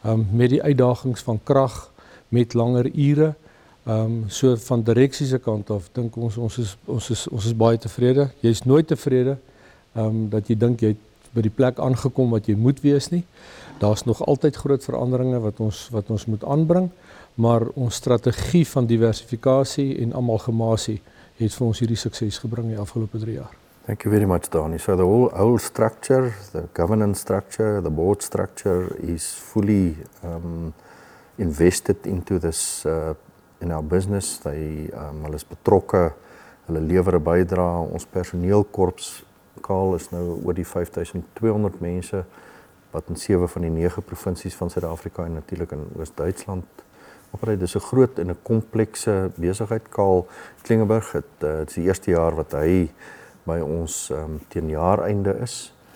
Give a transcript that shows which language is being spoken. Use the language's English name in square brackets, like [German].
[Afrikaans] Met die uitdagings van krag, met langer ure. So van direksie se kant af dink ons is baie tevrede. Jy is nooit tevrede dat jy dink jy by die plek aangekom wat jy moet wees nie. Daar's nog altyd groot veranderinge wat ons moet aanbring, maar ons strategie van diversifikasie en amalgamasie het vir ons hierdie sukses gebring die afgelope 3 jaar. [English] Thank you very much, Danie. So the whole structure, the governance structure, the board structure is fully invested into this in our business. [Afrikaans] Hulle is betrokke, hulle lewer 'n bydrae, ons personeelkorps Karl is nou oor die 5200 mense wat in 7 van die 9 provinsies van Suid-Afrika en natuurlik in Oos-Duitsland operei. Dis 'n groot en 'n komplekse besigheid. Karl Klingenberg het dis die eerste jaar wat hy by ons teen jaareinde is.